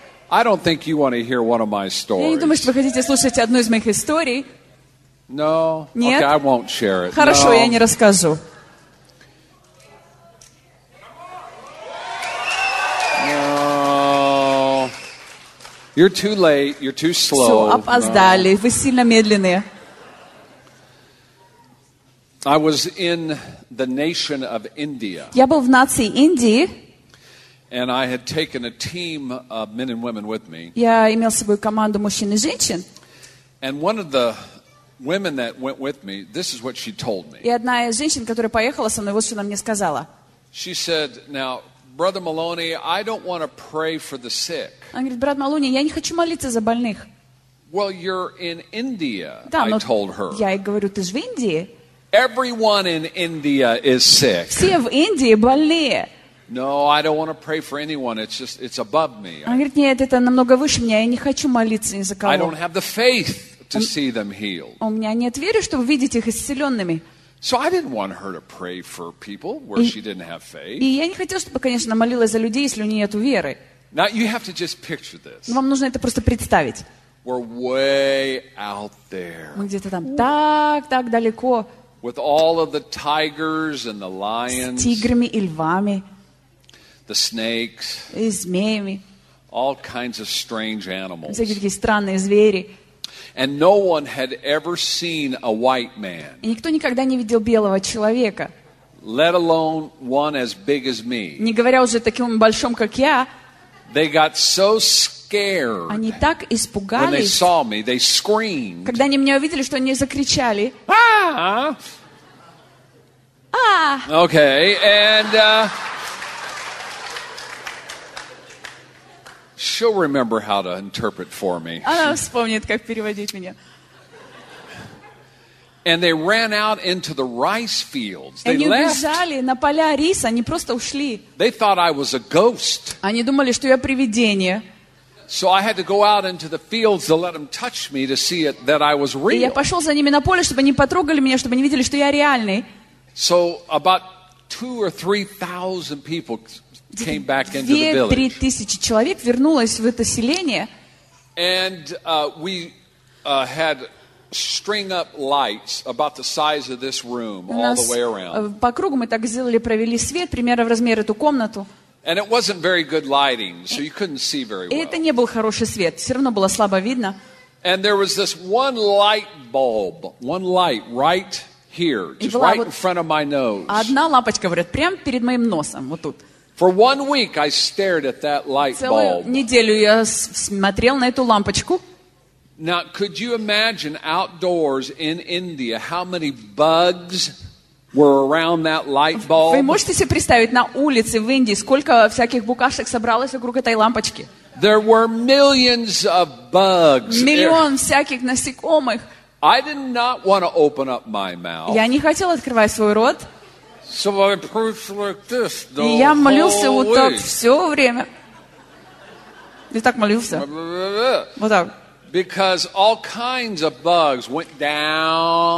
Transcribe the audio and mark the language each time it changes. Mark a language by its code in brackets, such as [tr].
[en] I don't think you want to hear one of my stories. [ru] Я не думаю, что вы хотите слушать одну из моих историй. [en] No. [ru] Нет. [en] Okay, I won't share it. [ru] Хорошо, я не расскажу. [en] No. You're too late. You're too slow. [ru] Все, опоздали. [en] No. [ru] Вы сильно медленные. [en] I was in the nation of India. [ru] Я был в нации Индии. [en] And I had taken a team of men and women with me. [ru] Я имел с собой команду мужчин и женщин. [en] And one of the women that went with me, this is what she told me. [ru] И одна из женщин, которая поехала со мной, вот что она мне сказала. [en] She said, "Now, brother Maloney, I don't want to pray for the sick." [ru] Она говорит, брат Малони, я не хочу молиться за больных. [en] Well, you're in India. [ru] Да, [en] I told her. [ru] Я ей говорю, ты же в Индии. [en] Everyone in India is sick. [ru] Все в Индии больные. [en] No, I don't want to pray for anyone. It's just it's above me. [ru] Она говорит, нет, это намного выше меня. Я не хочу молиться ни за кого. [en] I don't have the faith. To see them healed. [ru] У меня нет веры, чтобы видеть их исцеленными. [en] So I didn't want her to pray for people where she didn't have faith. [ru] И я не хотел, чтобы, конечно, молилась за людей, если у нее нету веры. [en] Now you have to just picture this. [ru] Вам нужно это просто представить. [en] We're way out there. [ru] Мы где-то там так далеко. [en] With all of the tigers and the lions. [ru] С тиграми и львами. [en] The snakes. [ru] И змеями. [en] All kinds of strange animals. [ru] Всякие такие странные звери. [en] And no one had ever seen a white man. [ru] И никто никогда не видел белого человека. [en] Let alone one as big as me. [ru] Не говоря уже таким большим, как я. [en] They got so scared. [ru] Они так испугались. [en] When they saw me, they screamed. [ru] Когда они меня увидели, что они закричали. Ah! [en] Okay, and she'll remember how to interpret for me. [ru] Она вспомнит, как переводить меня. [en] And they ran out into the rice fields. They left. [ru] Они убежали на поля риса, они просто ушли. [en] They thought I was a ghost. [ru] Они думали, что я привидение. [en] So I had to go out into the fields to let them touch me to see it, that I was real. [ru] И я пошел за ними на поле, чтобы они потрогали меня, чтобы они видели, что я реальный. [en] So about 2,000 or 3,000 people. Came back into the village. [ru] 2-3 тысячи человек вернулось в это селение. [en] And we had string up lights about the size of this room all the way around. [ru] По кругу мы так сделали, провели свет примерно в размер эту комнату. [en] And it wasn't very good lighting, so you couldn't see very well. [ru] Это не был хороший свет, все равно было слабо видно. [en] And there was this one light bulb, one light right here, just right in front of my nose. [ru] Одна лампочка, говорят, прямо перед моим носом, вот тут. [en] For 1 week, I stared at that light bulb. [ru] Целую неделю я смотрел на эту лампочку. [en] Now, could you imagine outdoors in India how many bugs were around that light bulb? [ru] Вы можете себе представить на улице в Индии сколько всяких букашек собралось вокруг этой лампочки? [en] There were millions of bugs. [ru] Миллион всяких насекомых. [en] I did not want to open up my mouth. [ru] Я не хотел открывать свой рот. [en] So I preached like this the whole week. [ru] Я молился вот так все время. И так молился. Вот так. [en] Because all kinds of bugs went down.